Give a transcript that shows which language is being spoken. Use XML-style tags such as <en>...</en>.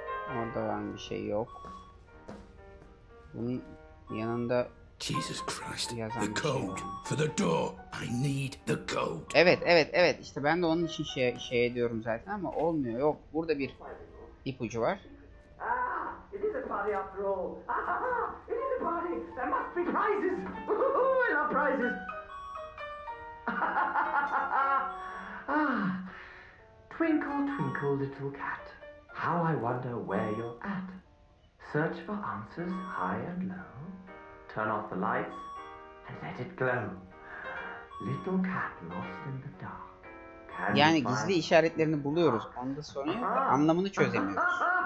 <tr>Orada olan bir şey yok. Bunun yanında</tr> <en>Jesus Christ.</en> <tr>Yazan</tr> <en>the code</en> <tr>şey</tr> <en>for the door. I need the code.</en> <tr>Evet, evet, evet. İşte ben de onun için şey ediyorum zaten ama olmuyor. Yok, burada bir ipucu var.</tr> <en>Ah, it is a party after all. It is a party. There must be prizes. Woohoo, I love prizes. Ah, twinkle, twinkle, little cat. How I wonder where you're at. Search for answers high and low. Turn off the lights and let it glow. Little cat lost in the dark.</en> <tr>Can yani gizli işaretlerini buluyoruz. Onu da soruyor ve anlamını çözemiyoruz.</tr>